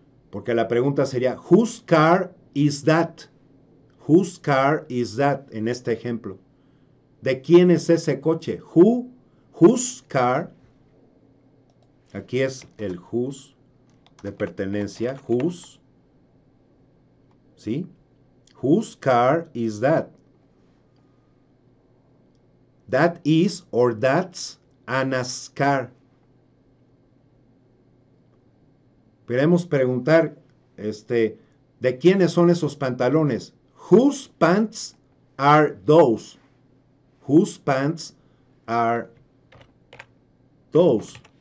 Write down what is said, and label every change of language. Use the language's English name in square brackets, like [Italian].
[Spanish] Porque la pregunta sería, [English] whose car is that? Whose car is that? [Spanish] En este ejemplo, ¿de quién es ese coche? [English] Whose car, [Spanish] aquí es el whose de pertenencia, whose, ¿sí? [English] Whose car is that? That is or that's Anna's car. [Spanish] Queremos preguntar, ¿de quiénes son esos pantalones? [English] Whose pants are those? Whose pants are those?